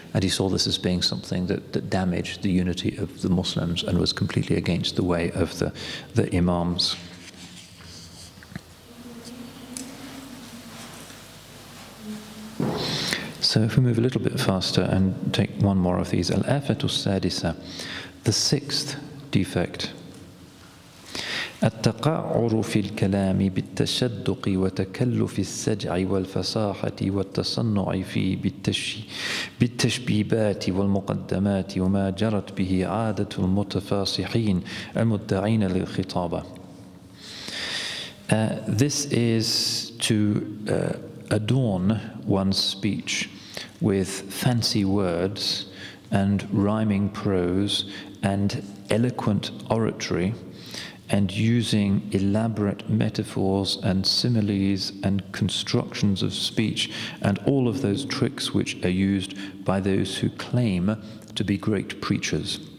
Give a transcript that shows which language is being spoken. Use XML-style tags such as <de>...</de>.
<en>And he saw this as being something that damaged the unity of the Muslims and was completely against the way of the imams. So if we move a little bit faster and take one more of these,</en> <ar>al-afat al-sadisa,</ar> <en>the sixth defect.</en> <ar>التقعر في الكلام بالتشدق وتكلف السجع والفصاحة والتصنع في بالتشبيبات والمقدمات وما جرت به عادة المتفاصحين المدعين للخطابة.</ar> <en>This is to adorn one's speech with fancy words and rhyming prose and eloquent oratory, and using elaborate metaphors and similes and constructions of speech and all of those tricks which are used by those who claim to be great preachers.</en>